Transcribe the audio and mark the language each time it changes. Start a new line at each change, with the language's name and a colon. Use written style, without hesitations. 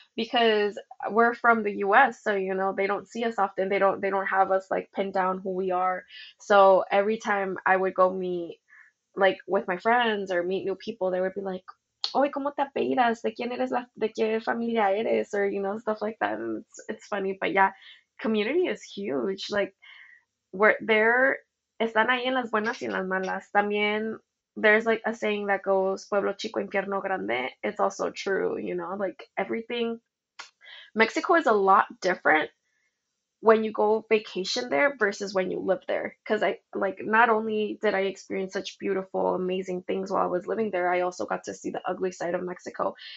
English: Because we're from the US, so they don't see us often. They don't have us like pinned down who we are. So every time I would go meet like with my friends or meet new people, they would be like, Oh,
Spanish: ¿cómo te apellidas? ¿De quién eres de qué familia eres?
English: Or, stuff like that. And it's funny, but yeah, community is huge. Like, where they're
Spanish: están ahí en las buenas y en las malas. También,
English: there's like a saying that goes,
Spanish: Pueblo chico, infierno grande.
English: It's also true, like everything. Mexico is a lot different when you go vacation there versus when you live there. Because I like not only did I experience such beautiful, amazing things while I was living there, I also got to see the ugly side of Mexico.